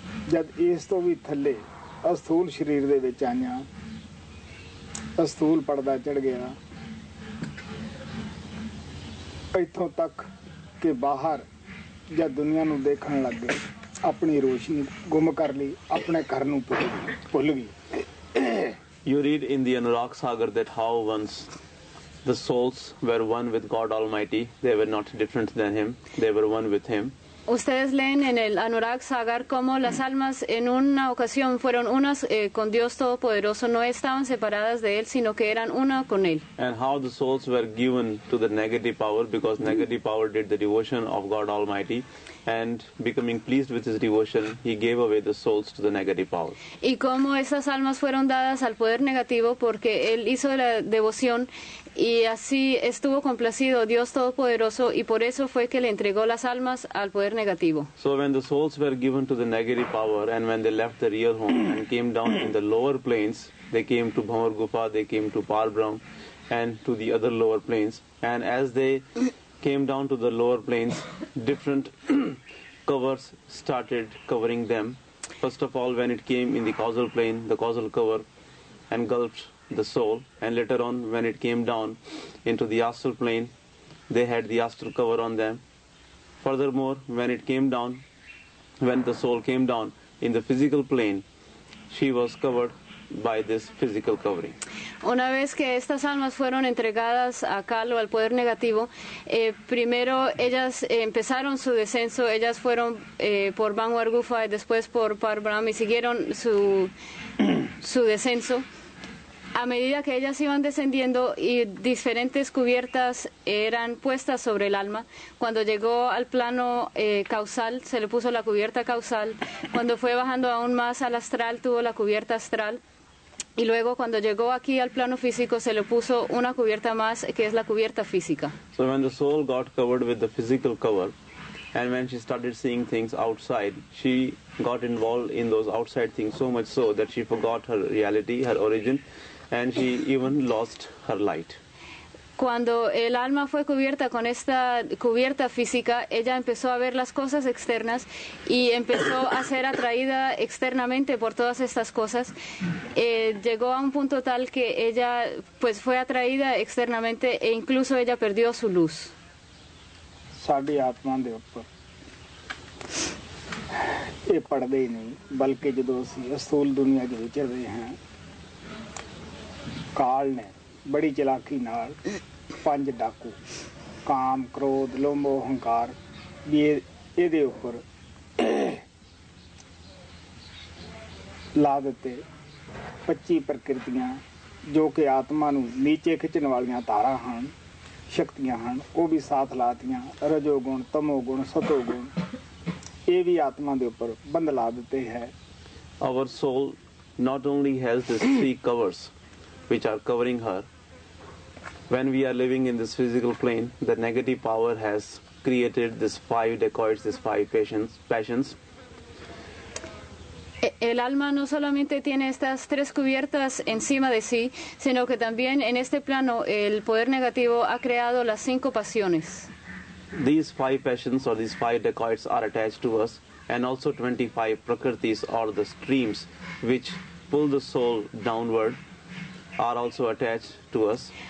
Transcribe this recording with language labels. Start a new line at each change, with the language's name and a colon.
Punjabi: ਜਦ ਇਸ ਤੋਂ ਵੀ ਥੱਲੇ ਅਸਥੂਲ ਸਰੀਰ ਦੇ ਵਿੱਚ ਆਈਆਂ ਅਸਥੂਲ ਪੜਦਾ ਚੜ ਗਿਆ। ਇੱਥੋਂ ਤੱਕ ਕਿ ਬਾਹਰ ਜਦ ਦੁਨੀਆਂ ਨੂੰ ਦੇਖਣ ਲੱਗ ਗਏ ਆਪਣੀ ਰੋਸ਼ਨੀ ਗੁੰਮ ਕਰ ਲਈ, ਆਪਣੇ ਘਰ ਨੂੰ ਭੁੱਲ ਗਈ।
English: You read in the Anurag Sagar that how once the souls were one with God Almighty, they were not different than Him, they were one with Him.
Spanish: Ustedes leen en el Anurag Sagar como las almas en una ocasión fueron unas con Dios Todopoderoso, no estaban separadas de Él, sino que eran una con Él.
English: And how the souls were given to the negative power, because negative power did the devotion of God Almighty. And becoming pleased with his devotion, he gave away the souls to the negative power.
Spanish: Y cómo esas almas fueron dadas al poder negativo porque él hizo la devoción y así estuvo complacido Dios Todopoderoso y por eso fue que le entregó las almas al poder negativo.
English: So when the souls were given to the negative power and when they left the real home and came down in the lower planes, they came to Bhamar Gupa, they came to Parbrahm and to the other lower planes, and as they came down to the lower planes, different covers started covering them. First of all, when it came in the causal plane, the causal cover engulfed the soul, and later on when it came down into the astral plane, they had the astral cover on them. Furthermore, when it came down, when the soul came down in the physical plane, she was covered by this physical covering.
Spanish: Una vez que estas almas fueron entregadas a Kalo, al poder negativo, primero ellas empezaron su descenso, ellas fueron por Banu Argufa y después por Parbrahma y siguieron su descenso. A medida que ellas iban descendiendo y diferentes cubiertas eran puestas sobre el alma, cuando llegó al plano causal, se le puso la cubierta causal, cuando fue bajando aún más al astral, tuvo la cubierta astral, y luego cuando llegó aquí al plano físico, se le puso una cubierta más, que es la cubierta física.
English: So when the soul got covered with the physical cover, and when she started seeing things outside, she got involved in those outside things so much so that she forgot her reality, her origin, and she even lost her light.
Spanish: Cuando el alma fue cubierta con esta cubierta física, ella empezó a ver las cosas externas y empezó a ser atraída externamente por todas estas cosas. Llegó a un punto tal que ella pues fue atraída externamente e incluso ella perdió su luz.
Punjabi: ਸਾਡੀ ਆਤਮਾ ਦੇ ਉੱਪਰ ਇਹ ਪੜਦੇ ਨਹੀਂ ਬਲਕਿ ਜਦੋਂ ਅਸੀਂ ਅਸੂਲ ਦੁਨੀਆ ਦੇ ਵਿਚਰ ਰਹੇ ਹਾਂ ਕਾਲ ਨੇ ਬੜੀ ਚਲਾਕੀ ਨਾਲ ਪੰਜ ਡਾਕੂ ਕਾਮ ਕ੍ਰੋਧ ਲੋਭ ਹੰਕਾਰ ਵੀ ਇਹਦੇ ਉੱਪਰ ਲਾ ਦਿੱਤੇ 25 ਪ੍ਰਕਿਰਤੀਆਂ ਜੋ ਕਿ ਆਤਮਾ ਨੂੰ ਨੀਚੇ ਖਿੱਚਣ ਵਾਲੀਆਂ ਤਾਰਾਂ ਹਨ ਸ਼ਕਤੀਆਂ ਹਨ ਉਹ ਵੀ ਸਾਥ ਲਾਤੀਆਂ ਰਜੋ ਗੁਣ ਤਮੋ ਗੁਣ ਸਤੋ ਗੁਣ ਇਹ ਵੀ ਆਤਮਾ ਦੇ ਉੱਪਰ ਬੰਧ ਲਾ ਦਿੱਤੇ ਹੈ
English: our soul not only has this three covers which are covering her when we are living in this physical plane the negative power has created this five dacoits this five passions
Spanish: El alma no solamente tiene estas tres cubiertas encima de sí, sino que también en este plano el poder negativo ha creado las cinco pasiones.
English: These five passions or these five dacoits are attached to us, and also 25 prakritis or the streams which pull the soul downward are also attached to us.